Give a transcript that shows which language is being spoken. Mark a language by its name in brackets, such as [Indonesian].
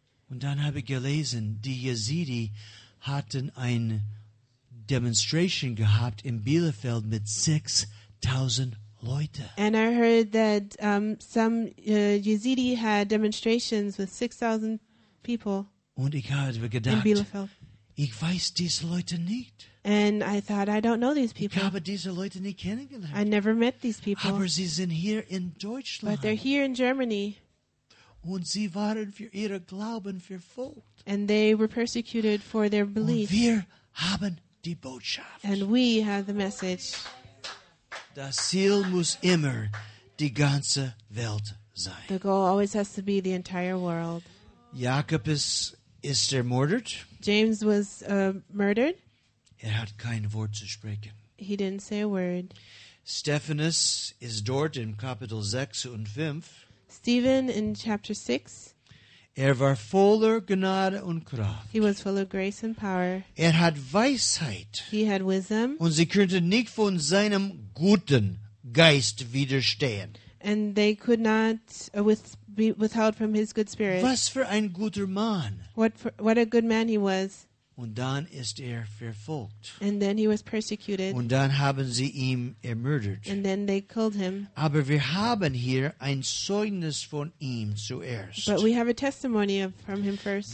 [German] Und dann habe ich gelesen, die Yazidi hatten eine Demonstration gehabt in Bielefeld mit 6,000 Leute. [English] And I heard that some Yazidi had demonstrations with 6,000 people. [German] Und ich habe gedacht, [English] in Bielefeld. [German] Ich weiß diese Leute nicht. [English] And I thought, I don't know these people. [German] Ich habe diese Leute nicht kennengelernt. [English] I never met these people. [German] Aber sie sind hier in Deutschland. [English] But they're here in Germany. [German] Und sie waren für ihre Glauben verfolgt. [English] And they were persecuted for their belief. [German] Und wir haben die Botschaft. [English] And we have the message. [German] Das Ziel muss immer die ganze Welt sein. [English] The goal always has to be the entire world. [German] Jakobus ist ermordet. [English] James was murdered. [German] Er hat kein Wort zu sprechen. [English] He didn't say a word. [German] Stephanus ist dort in Kapitel 6 und 5. [English] Stephen in chapter 6. [German] Er war voller Gnade und Kraft. [English] He was full of grace and power. [German] Er hat Weisheit. [English] He had wisdom. [German] Und sie konnte nicht von seinem guten Geist widerstehen. [English] And they could not be withheld from his good spirit. [German] Was für ein guter Mann. [English] What a good man he was. [German] Und dann ist verfolgt. [English] And then he was persecuted. [German] Und dann haben sie ihn ermordet. [English] And then they killed him. [German] Aber wir haben hier ein Zeugnis von ihm zuerst. [English] But we have a testimony from him first.